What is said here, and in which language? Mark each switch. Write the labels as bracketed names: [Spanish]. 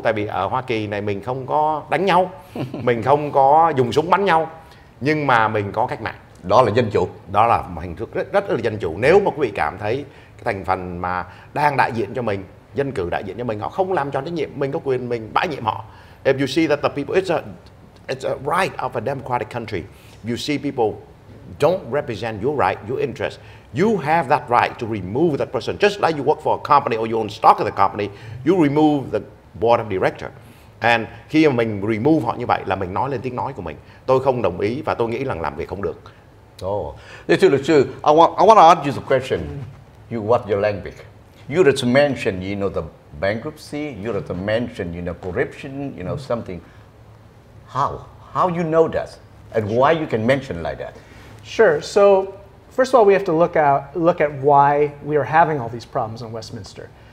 [Vietnamese] Tại vì ở Hoa Kỳ này mình không có đánh nhau, mình không có dùng súng bắn nhau, nhưng mà mình có cách mạng. Đó là dân chủ. Đó là một hình thức rất là dân chủ. Nếu mà quý vị cảm thấy cái thành phần mà đang đại diện cho mình, dân cử đại diện cho mình, họ không làm tròn trách nhiệm, mình có quyền mình bãi nhiệm họ. [English] If you see that the people, it's a right of a democratic country. If you see people don't represent your right, your interest, you have that right to remove that person. Just like you work for a company or you own stock of the company, you remove the board of director. [Vietnamese] And khi mà mình remove họ như vậy là mình nói lên tiếng nói của mình. Tôi không đồng ý và tôi nghĩ rằng làm việc không được. [English] Oh, [Vietnamese] thưa luật sư, [English] I want to ask you a question. You what your language? You have to mention, you know, the bankruptcy. You have to mention, you know, corruption. You know, something. How you know that, and sure. Why you can mention like that? Sure. So, first of all, we have to look at why we are having all these problems in Westminster.